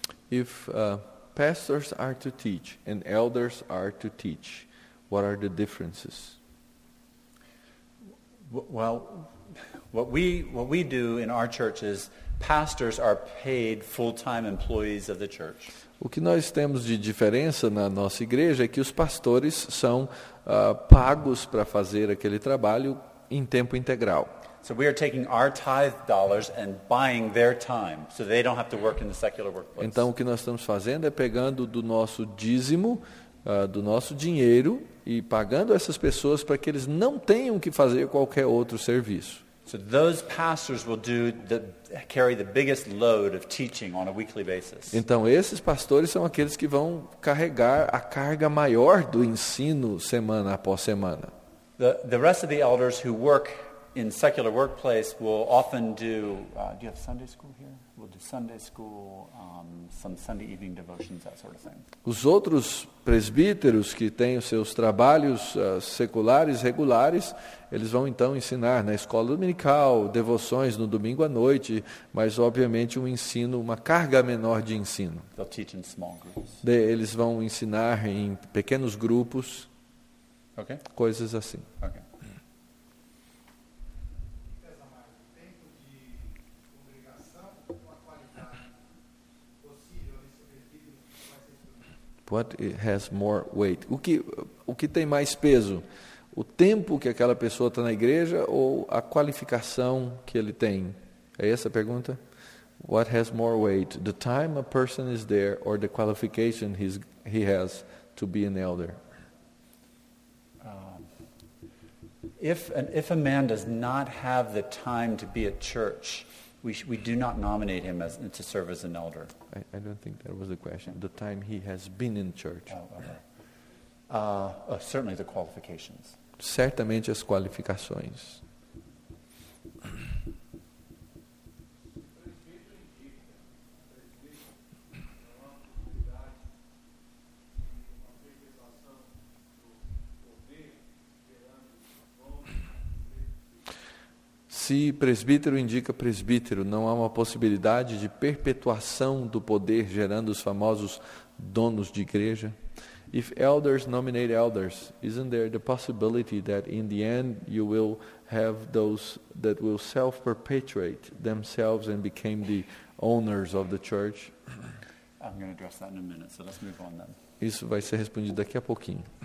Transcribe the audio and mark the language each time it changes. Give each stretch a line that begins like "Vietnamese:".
English: If pastors are to teach and elders are to teach, what are the differences? Well, what we do in our church is pastors are paid full-time employees of the church.
Portuguese: O que nós temos de diferença na nossa igreja é que os pastores são pagos para fazer aquele trabalho em tempo integral.
English: So we are taking our tithe dollars and buying their time so they don't have to work in the secular workplace.
Portuguese: Então o que nós estamos fazendo é pegando do nosso dízimo, do nosso dinheiro e pagando essas pessoas para que eles não tenham que fazer qualquer outro serviço.
English: So those pastors will carry the biggest load of teaching on a weekly basis.
Portuguese: Então esses pastores são aqueles que vão carregar a carga maior do ensino semana após semana.
English: The rest of the elders who work in secular workplace will often do do you have Sunday school here? We'll do Sunday school, some Sunday evening devotions, that sort of thing.
Portuguese: Os outros presbíteros que têm os seus trabalhos seculares regulares, eles vão então ensinar na escola dominical, devoções no domingo à noite, mas obviamente um ensino, uma carga menor de ensino.
English: They'll teach in small groups.
Portuguese: Eles vão ensinar em pequenos grupos.
English: Okay.
Portuguese: Coisas assim.
English: Okay. What has more weight?
Portuguese: O que tem mais peso? O tempo que aquela pessoa está na igreja ou a qualificação que ele tem? É essa a pergunta?
English: What has more weight? The time a person is there or the qualification he has to be an elder? If a man does not have the time to be at church, we do not nominate him as to serve as an elder. I don't think that was the question. The time he has been in church. Certainly the qualifications.
Portuguese: Certamente as qualificações. Se presbítero indica presbítero, não há uma possibilidade de perpetuação do poder gerando os famosos donos de igreja?
English: If elders nominate elders, isn't there the possibility that in the end you will have those that will self-perpetuate themselves and became the owners of the church? I'm going to address that in a minute, so let's move on then.
Portuguese: Isso vai ser respondido daqui a pouquinho.